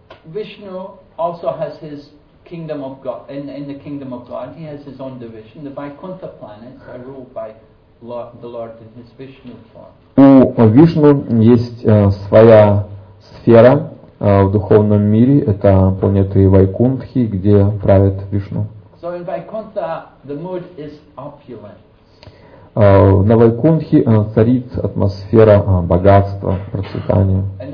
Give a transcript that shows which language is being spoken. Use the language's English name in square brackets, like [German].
[English] Vishnu also has his kingdom of God. In the kingdom of God, he has his own division. The Vaikuntha planets are ruled by the Lord in his Vishnu form. [Russian] У Вишну есть своя сфера в духовном мире. Это планеты Вайкунтхи, где правит Вишну. [English] So in Vaikuntha, the mood is opulent. [Russian] На Вайкунтхе царит атмосфера богатства, процветания.